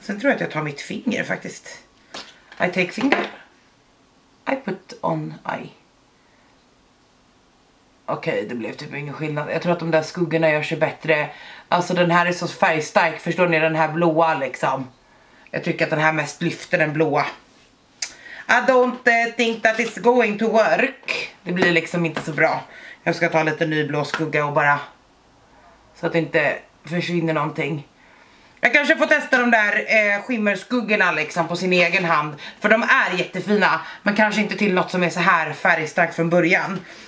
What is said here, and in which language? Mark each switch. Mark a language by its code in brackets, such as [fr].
[sv] Sen tror jag att jag tar mitt finger faktiskt. [en] I take finger. I put on eye. [sv] Okej, det blev typ ingen skillnad. Jag tror att de där skuggorna gör sig bättre. Alltså den här är så färgstark, förstår ni, den här blåa liksom. Jag tycker att den här mest lyfter den blåa. [en] I don't think that it's going to work. [sv] Det blir liksom inte så bra. Jag ska ta lite ny blå skugga och bara, så att det inte försvinner någonting. Jag kanske får testa de där skimmerskuggorna liksom på sin egen hand. För de är jättefina, men kanske inte till något som är så här färgstark från början.